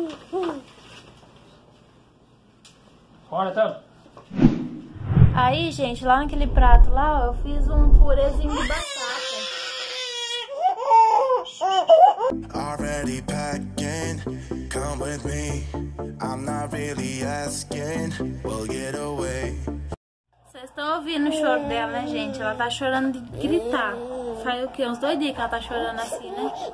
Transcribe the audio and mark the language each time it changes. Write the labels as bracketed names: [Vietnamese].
[Portuguese] Toma. Fora, tá? Aí, gente, lá naquele prato lá, ó, eu fiz um purêzinho de batata. [English] Already packing, come with me. I'm not really asking, we'll get away. [Portuguese] Vocês estão ouvindo o choro dela, né, gente? Ela tá chorando de gritar. Faz o quê? Uns 2 dias que ela tá chorando assim, né?